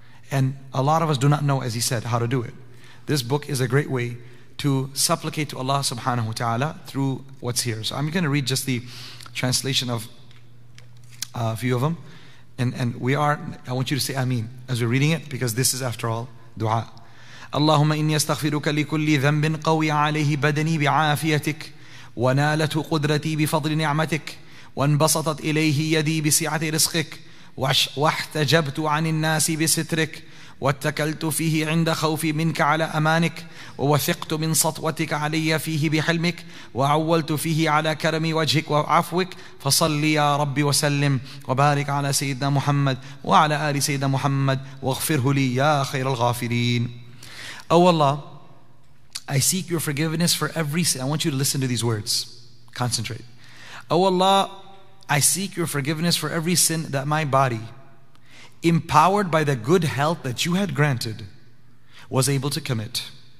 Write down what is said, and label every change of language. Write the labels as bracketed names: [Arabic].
[English] And a lot of us do not know, as he said, how to do it. This book is a great way to supplicate to Allah subhanahu wa ta'ala through what's here. So I'm going to read just the translation of a few of them. And we are, I want you to say ameen as we're reading it, because this is, after all, dua. [Arabic] اللهم إني أستغفرك لكل ذنب قوي عليه بدني بعافيتك ونالت قدرتي بفضل نعمتك وانبسطت إليه يدي بسعة رزقك واحتجبت عن الناس بسترك واتكلت فيه عند خوفي منك على أمانك ووثقت من سطوتك علي فيه بحلمك وعولت فيه على كرم وجهك وعفوك فصل يا ربي وسلم وبارك على سيدنا محمد وعلى آل سيدنا محمد واغفره لي يا خير الغافرين. [English] Oh Allah, I seek your forgiveness for every sin. I want you to listen to these words. Concentrate. Oh Allah, I seek your forgiveness for every sin that my body, empowered by the good health that you had granted, was able to commit.